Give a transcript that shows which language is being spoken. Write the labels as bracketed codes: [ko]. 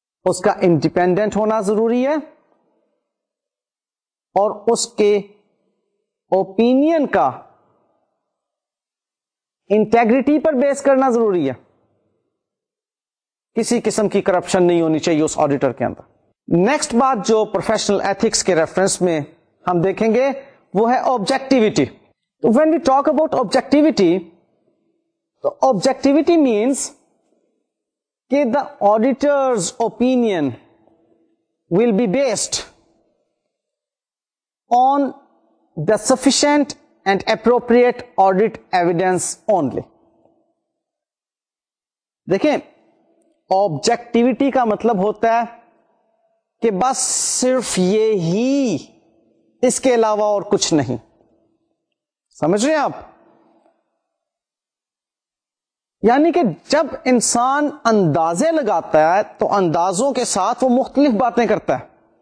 [ur] اس کا انڈیپینڈنٹ ہونا ضروری ہے, اور اس کے اوپینین کا انٹیگریٹی پر بیس کرنا ضروری ہے. کسی قسم کی کرپشن نہیں ہونی چاہیے اس آڈیٹر کے اندر. نیکسٹ بات جو پروفیشنل ایتھکس کے ریفرنس میں ہم دیکھیں گے وہ ہے آبجیکٹیویٹی. [en] تو when we talk about objectivity objectivity means کہ the auditors opinion will be based on the sufficient and appropriate audit evidence only. [ur] دیکھیں آبجیکٹیویٹی کا مطلب ہوتا ہے کہ بس صرف یہ ہی, اس کے علاوہ اور کچھ نہیں. سمجھ رہے ہیں آپ؟ یعنی کہ جب انسان اندازے لگاتا ہے تو اندازوں کے ساتھ وہ مختلف باتیں کرتا ہے.